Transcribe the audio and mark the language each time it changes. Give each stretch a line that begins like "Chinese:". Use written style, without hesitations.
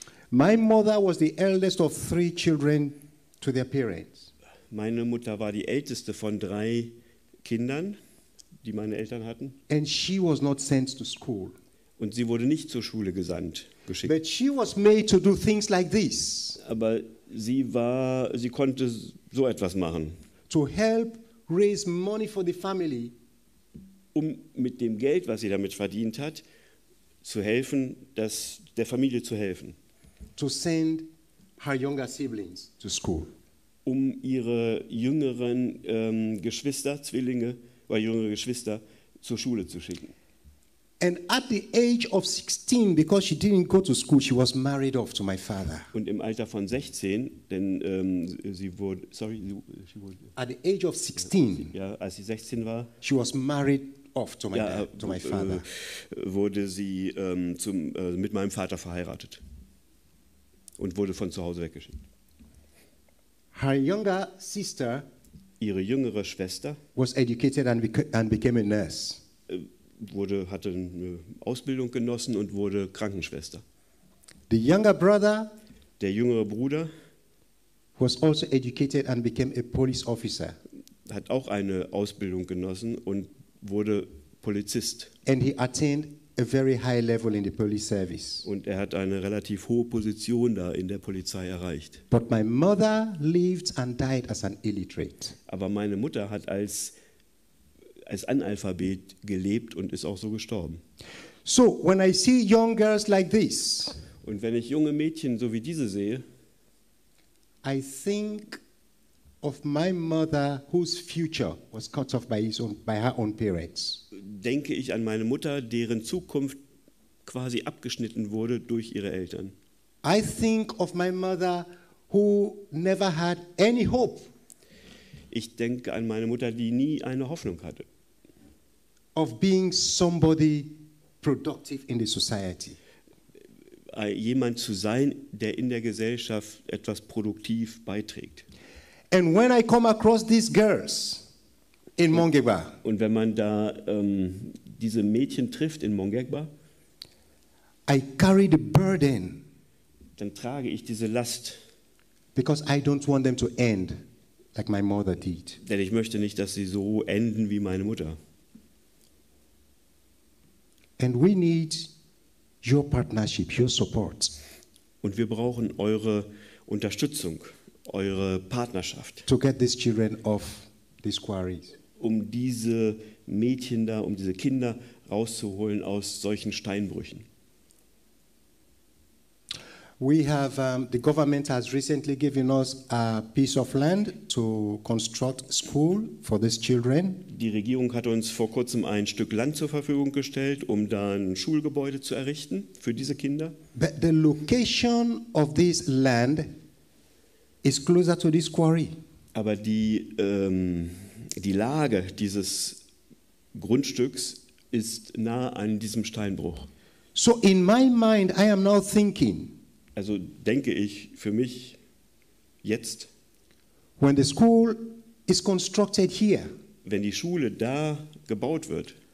English: My mother was the eldest of three children to their parents.
German: Meine Mutter war die älteste von drei Kindern, die meine Eltern hatten.
English: And she was not sent to school.
German: Und sie wurde nicht zur Schule gesandt, geschickt.
English: But she was made to do things like this.
German: Aber sie konnte so etwas machen.
English: To help raise money for the family.
German: Um mit dem Geld, was sie damit verdient hat, zu helfen, der Familie zu helfen.
English: To send her younger siblings to school.
German: Um ihre jüngeren Geschwister, Zwillinge oder jüngere Geschwister zur Schule zu schicken.
English: And at the age of 16, because she didn't go to school, she was married off to my father.
German: Und im Alter von 16, denn sie wurde,
English: sorry, she
German: wurde.
English: At the age of 16.
German: Ja, als sie 16 war.
English: She was married off to my to my father.
German: Wurde sie mit meinem Vater verheiratet und wurde von zu Hause weggeschickt.
English: Her younger sister.
German: Ihre jüngere Schwester.
English: Was educated and became a nurse.
German: Hatte eine Ausbildung genossen und wurde Krankenschwester.
English: The younger brother,
German: der jüngere Bruder,
English: was also educated and became a police officer.
German: Hat auch eine Ausbildung genossen und wurde Polizist.
English: And he attained a very high level in the police service.
German: Und er hat eine relativ hohe Position da in der Polizei erreicht.
English: But my mother lived and died as an illiterate.
German: Aber meine Mutter hat als Analphabet gelebt und ist auch so gestorben.
English: So, when I see young girls like this,
German: und wenn ich junge Mädchen so wie diese sehe,
English: I think of my mother whose future was cut off by her own parents.
German: Denke ich an meine Mutter, deren Zukunft quasi abgeschnitten wurde durch ihre Eltern.
English: I think of my mother who never had any hope.
German: Ich denke an meine Mutter, die nie eine Hoffnung hatte.
English: Of being somebody productive in the society.
German: Jemand zu sein, der in der Gesellschaft etwas produktiv beiträgt.
English: And when I come across these girls in Mongegba.
German: Und wenn man da diese Mädchen trifft in Mongegba,
English: I carry the burden.
German: Dann trage ich diese Last.
English: Because I don't want them to end like my mother did.
German: Denn ich möchte nicht, dass sie so enden wie meine Mutter.
English: And we need your partnership, your support.
German: Und wir brauchen eure Unterstützung, eure Partnerschaft.
English: To get these children off these quarries.
German: Um diese Mädchen da, um diese Kinder rauszuholen aus solchen Steinbrüchen.
English: We have the government has recently given us a piece of land to construct school for these children.
German: Die Regierung hat uns vor kurzem ein Stück Land zur Verfügung gestellt, um da ein Schulgebäude zu errichten für diese Kinder.
English: But the location of this land is closer to this quarry.
German: Aber die Lage dieses Grundstücks ist nah an diesem Steinbruch.
English: So in my mind I am now thinking.
German: Also denke ich für mich jetzt,
English: when the school is constructed here,
German: wenn die Schule da gebaut wird,